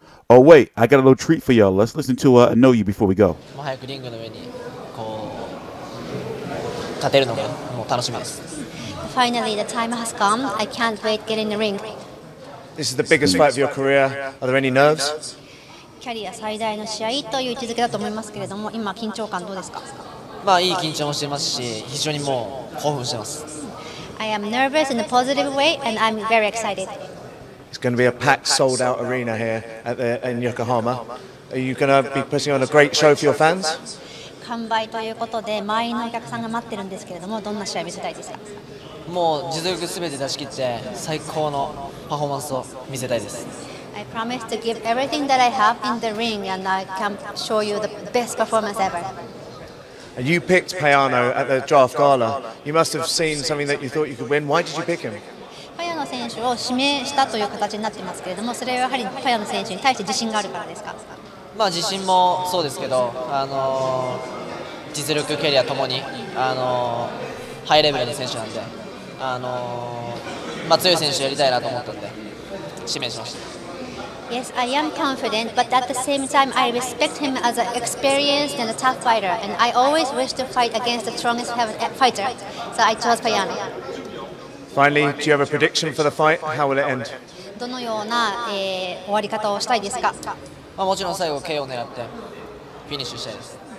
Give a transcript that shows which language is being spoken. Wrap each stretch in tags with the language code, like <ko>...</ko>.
<en>Oh, wait, I got a little treat for y'all. Let's listen to Know You before we go. Finally, the time has come. I can't wait to get in the ring. This is the biggest fight of your career. Are there any nerves?</en> <ja>キャリア最大の試合という位置づけだと思いますけれども、今緊張感どうですか？まあいい緊張もしていますし、非常にもう興奮してます。</ja> <en>I am nervous in a positive way and I'm very excited. It's going to be a packed, sold-out arena here at the, in Yokohama. Are you going to be putting on a great show for your fans?</en> <ja>完売ということで、満員のお客さんが待ってるんですけれども、どんな試合見せたいですか？もう実力すべて出し切って、最高のパフォーマンスを見せたいです。</ja> <en>I promise to give everything that I have in the ring and I can show you the best performance ever. You picked Payano at the draft gala. You must have seen something that you thought you could win. Why did you pick him?</en> <ja>Payano 選手を指名したという形になってますけれども、それはやはりPayano 選手に対して自信があるからですか？まあ自信もそうですけど、実力、キャリアともに、ハイレベルの選手なんで、まあ強い選手やりたいなと思ったんで、指名しました。</ja> <en>Yes, I am confident, but at the same time, I respect him as an experienced and a tough fighter, and I always wish to fight against the strongest fighter, so I chose Payano. Finally, do you have a prediction for the fight? How will it end?</en> <ja>どのような、終わり方をしたいですか？まあ、もちろん最後 KO を狙ってフィニッシュしたいです。</ja>